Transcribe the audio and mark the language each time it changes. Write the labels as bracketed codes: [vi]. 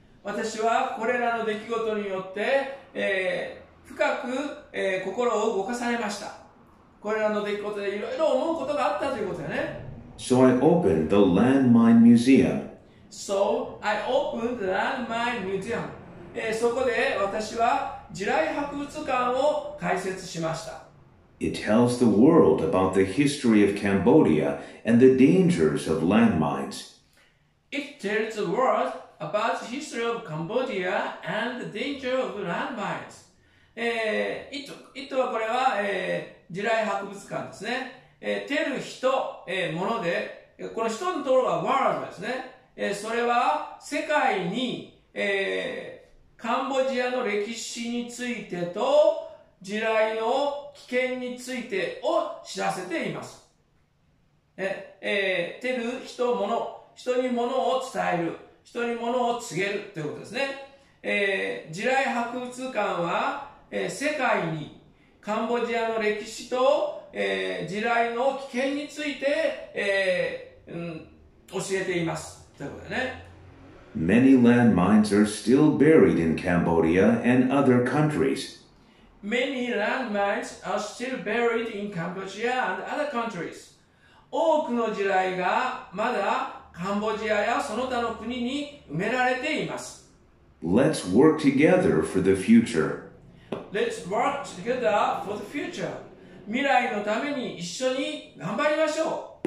[ja] 私はこれらの出来事によって、深く、心を動かされました。これらの出来事でいろいろ思うことがあったということだね。 [en] So I opened the landmine museum. So I opened the landmine museum. [ja] そこで私は地雷博物館を開設しました。 [en] It tells the world about the history of Cambodia and the dangers of landmines. It tells the world about the history of Cambodia and the danger of landmines. [ja] It はこれは、地雷博物館ですね。てる人、もので、この人のところは world ですね。それは世界に、カンボジアの歴史についてと地雷の危険についてを知らせています。てる人もの、人にものを伝える、人にものを告げるということですね。地雷博物館は、世界にカンボジアの歴史と地雷の危険について、教えていますということでね。 [en] Many landmines are still buried in Cambodia and other countries. Many landmines are still buried in Cambodia and other countries. [ja] 多くの地雷がまだカンボジアやその他の国に埋められています。 [en] Let's work together for the future. Let's work together for the future. [ja] 未来のために一緒に頑張りましょう。